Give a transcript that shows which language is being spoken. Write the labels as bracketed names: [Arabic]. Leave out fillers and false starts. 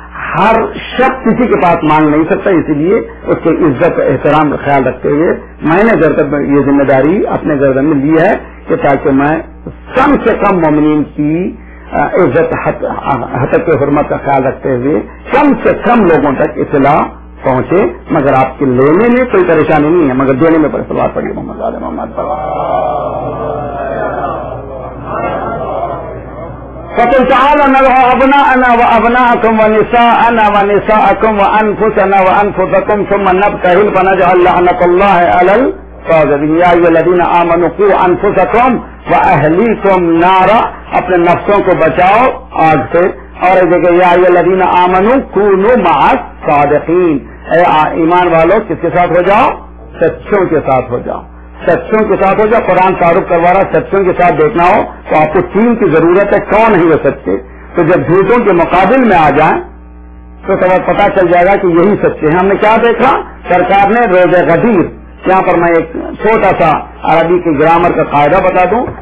[Urdu] ہر شخص کسی کے پاس مانگ نہیں سکتا, اسی لیے اس کے عزت احترام کا خیال رکھتے ہوئے میں نے گردن میں یہ ذمہ داری اپنے گردن میں لی ہے کہ تاکہ میں کم سے کم مومنین کی عزت حتق حرمت کا خیال رکھتے ہوئے کم سے کم لوگوں تک اطلاع پہنچے, مگر آپ کے لینے میں کوئی پریشانی نہیں ہے, مگر دینے میں سوال پڑے محمد آدم محمد پر. [Arabic] فقل تعالى له ابناءنا وابناءكم ونساءنا ونساءكم وانفسنا وانفسكم ثم نبتهل فنجعل لعنه الله على الكاذبين. يا ايها الذين امنوا قوا انفسكم واهليكم نارا, [Urdu] اپنے نفسوں کو بچاؤ آگ سے. اور ایک جگہ [Arabic] یا ایها الذين امنوا كونوا مع الصادقين, [Urdu] اے ایمان والو کس کے ساتھ ہو جاؤ؟ سچوں کے ساتھ ہو جاؤ, سچوں کے ساتھ ہو جائے. قرآن تعارف کروا رہا سچوں کے ساتھ دیکھنا ہو تو آپ کو تین کی ضرورت ہے, کون ہے وہ سچے؟ تو جب جھوٹوں کے مقابل میں آ جائیں تو سبق پتا چل جائے گا کہ یہی سچے ہیں. ہم نے کیا دیکھا؟ سرکار نے روزہ غدیر, یہاں پر میں ایک چھوٹا سا عربی کے گرامر کا قاعدہ بتا دوں.